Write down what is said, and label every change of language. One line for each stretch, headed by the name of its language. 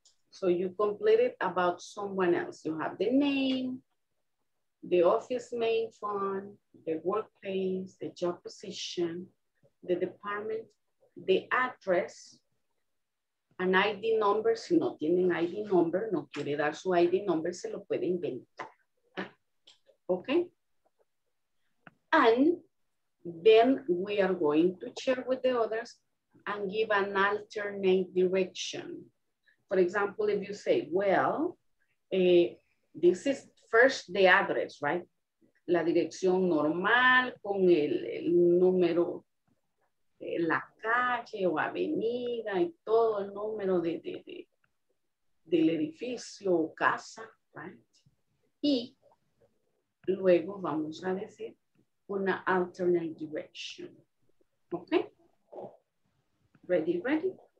English: So you complete it about someone else. You have the name, the office main phone, the workplace, the job position, the department, the address, an ID number.
Spanish: Si no tienen ID number, no quiere dar su ID number, se lo puede inventar.
English: Okay? And then we are going to share with the others and give an alternate direction. For example, if you say, well, this is first the address, right?
Spanish: La dirección normal con el número, la calle o avenida y todo el número del edificio o casa, right? Y luego vamos a decir una alternate direction,
English: okay? Ready, ready?